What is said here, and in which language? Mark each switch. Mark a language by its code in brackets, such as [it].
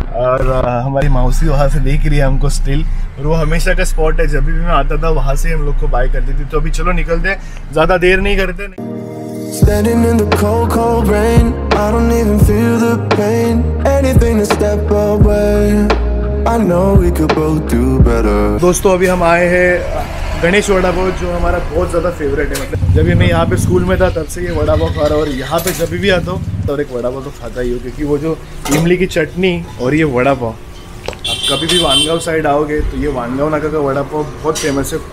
[hi] और हमारी मौसी वहाँ से देख रही है हमको स्टिल, और वो हमेशा का स्पॉट है, जब भी मैं आता था वहाँ से हम लोग को बाय करती थी। तो अभी चलो निकलते, ज्यादा देर नहीं करते। [en] Standing in the cold, cold rain, I don't even feel the pain. Anything to step away, I know we could both do better. [hi] दोस्तों अभी हम आए हैं गणेश वड़ा पाव, जो हमारा बहुत ज्यादा फेवरेट है। मतलब जब भी मैं यहाँ पे स्कूल में था तब से ये वड़ा पाव खा रहा हूँ, और यहाँ पे जब भी आता हूँ तो एक वड़ा पाव तो खाता ही हूँ, क्योंकि वो जो इमली की चटनी और ये वड़ा पाव, आप कभी भी वानगांव साइड आओगे तो ये वानगांव नाका का वड़ा पाव बहुत फेमस है।